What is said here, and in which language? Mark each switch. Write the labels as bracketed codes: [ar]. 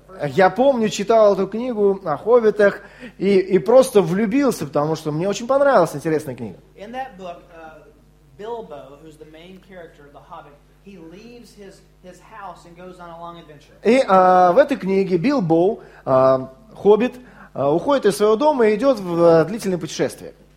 [ru] Я помню, читал эту книгу о хоббитах и просто влюбился, потому что мне очень понравилась интересная книга. [en] In that book, Bilbo, who's the main character of the Hobbit, he leaves his house and goes on a long adventure. [ru] И в этой книге Bilbo, хоббит, уходит из своего дома и идет в длительное путешествие.